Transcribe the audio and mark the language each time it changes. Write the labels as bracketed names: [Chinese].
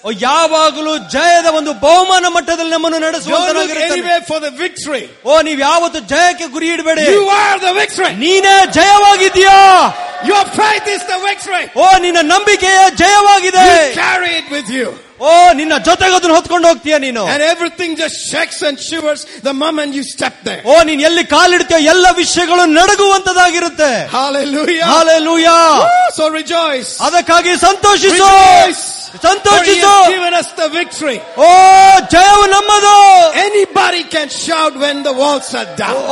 [Kannada] ಓ ಯಾವಾಗಲೂ ಜಯದ ಒಂದು ಬಹುಮಾನ ಮಟ್ಟದಲ್ಲಿ ನಮ್ಮನ್ನು ನಡೆಸುವಂತರಾಗಿರುತ್ತೆ. ಓ ನೀವು ಯಾವತ್ತು ಜಯಕ್ಕೆ ಗುರಿ ಇಡಬೇಡಿ. [English] You are the victory. [Kannada] ನೀನೇ ಜಯವಾಗಿದ್ದೀಯಾ. [English] Your faith is the victory. [Kannada] ಓ ನಿನ್ನ ನಂಬಿಕೆಯೇ ಜಯವಾಗಿದೆ. [English] You carry it with you. [Kannada] ಓ ನಿನ್ನ ಜೊತೆಗೆ ಅದನ್ನು ಹೊತ್ಕೊಂಡು ಹೋಗ್ತೀಯ ನೀನು. [English] And everything just shakes and shivers the moment you step there. [Kannada] ಓ ನೀನು ಎಲ್ಲಿ ಕಾಲಿಡ್ತೀಯ ಎಲ್ಲ ವಿಷಯಗಳು ನಡಗುವಂತದಾಗಿರುತ್ತೆ. [English] Hallelujah. Hallelujah. So rejoice. [Kannada] ಅದಕ್ಕಾಗಿ ಸಂತೋಷಿಸು. [English] Rejoice. [Kannada] ಸಂತೋಷಿಸು. [English] victory, [Kannada] ಓ ಜಯವು ನಮ್ಮದು. [English] Anybody can shout when the walls are down.